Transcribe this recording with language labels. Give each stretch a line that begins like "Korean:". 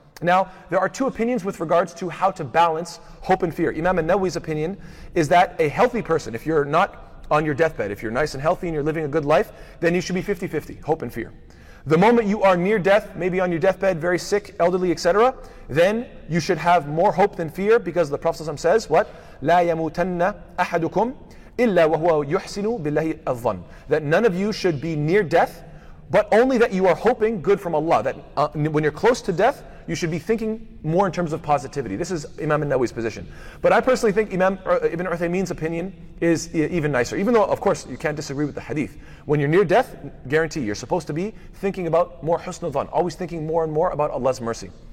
English: Now, there are two opinions with regards to how to balance hope and fear. Imam an-Nawawi's opinion is that a healthy person, if you're not on your deathbed. If you're nice and healthy and you're living a good life, then you should be 50-50, hope and fear. The moment you are near death, maybe on your deathbed, very sick, elderly, etc., then you should have more hope than fear, because the Prophet ﷺ says, what?
Arabic: لا يموتن أحدكم إلا وهو يحسن بالله الظن.
English: That none of you should be near death, but only that you are hoping good from Allah. That when you're close to death, you should be thinking more in terms of positivity. This is Imam an-Nawawi's position. But I personally think Imam Ibn Uthaymeen's opinion is even nicer. Even though, of course, you can't disagree with the hadith. When you're near death, guarantee you're supposed to be thinking about more husnul dhan, always thinking more and more about Allah's mercy.